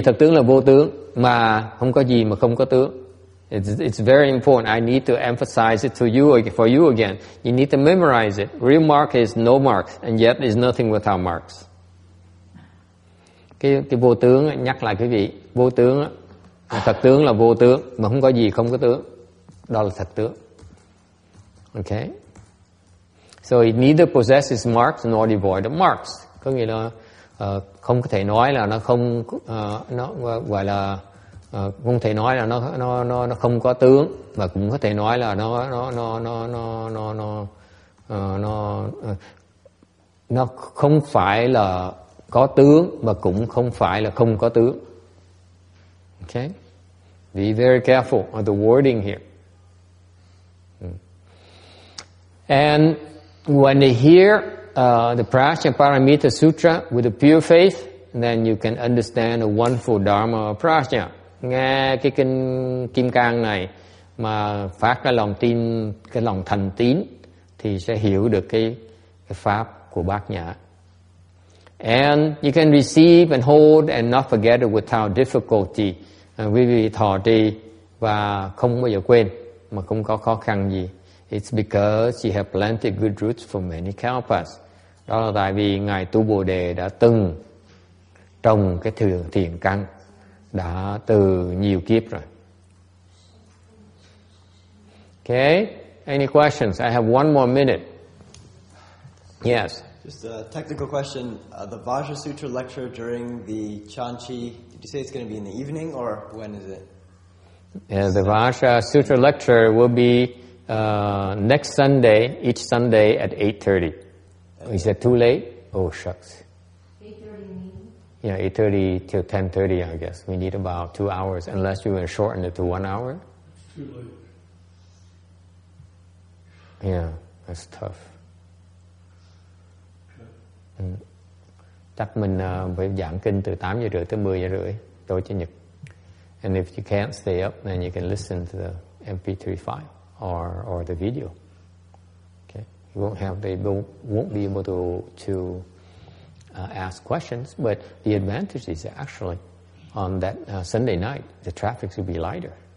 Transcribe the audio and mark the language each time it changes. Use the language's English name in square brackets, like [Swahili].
[Vietnamese] Thật tướng là vô tướng, mà không có gì mà không có tướng. [English] It's very important. I need to emphasize it for you again. You need to memorize it. Real mark is no mark, and yet is nothing without marks. [Vietnamese] Cái vô tướng nhắc lại quý vị, vô tướng, thật tướng là vô tướng, mà không có gì không có tướng. Đó là thật tướng. Okay. [English] So it neither possesses marks nor devoid of marks. [Vietnamese] Có nghĩa là không có thể nói là nó không nó gọi là không thể nói là nó không có tướng, mà cũng có thể nói là nó không phải là có tướng mà cũng không phải là không có tướng. [English] Okay. Be very careful on the wording here. And when they hear the Prajnaparamita Sutra with a pure faith, then you can understand the wonderful Dharma of Prajna. [Vietnamese] Nghe cái kinh Kim Cang này mà phát cái lòng tin, cái lòng thành tín, thì sẽ hiểu được cái pháp của Bát Nhã. [English] And you can receive and hold and not forget it without difficulty. [Vietnamese] Quý vị thọ trì và không bao giờ quên, mà không có khó khăn gì. [English] It's because you have planted good roots for many kalpas. [Vietnamese] Đó là tại vì Ngài Tu Bồ Đề đã từng trồng cái thiện căn đã từ nhiều kiếp rồi. [English] Okay, any questions? I have one more minute. Yes. Just a technical question. The Vajra Sutra lecture during the Chanchi, did you say it's going to be in the evening or when is it? Yeah, the Vajra Sutra lecture will be next Sunday, each Sunday at 8:30. Is that too late? Oh, shucks. 8:30. Yeah, 8:30 till 10:30, I guess. We need about 2 hours, unless you want to shorten it to 1 hour. It's too late. Yeah, that's tough. [Vietnamese] Chắc mình phải giảng kinh từ 8 giờ rưỡi tới 10 giờ rưỡi tối chủ nhật. [English] And if you can't stay up, then you can listen to the MP3 file or the video. Okay, you won't be able to ask questions, but the advantage is actually on that Sunday night the traffic will be lighter.